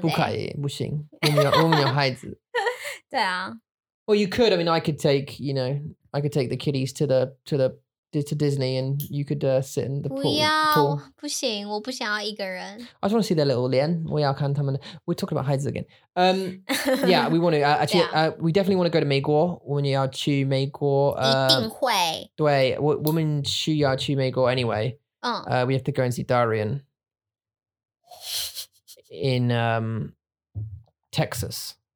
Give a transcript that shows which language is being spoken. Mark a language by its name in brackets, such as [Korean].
[Chinese] 不可以，不行，我们有孩子。对啊。 [English] Well, you could. I mean, I could take the kiddies to Disney and you could sit in the pool. [Chinese] 不要，不行，我不想要一个人。 [English] I just want to see their little 脸， [Chinese] 我要看他们。 [English] We're talking about孩子 again. yeah, we want to, we definitely want to go to 美国， [Chinese] 我们也要去美国。一定会。对，我们需要去美国 anyway. [English] We have to go and see Darian in Texas.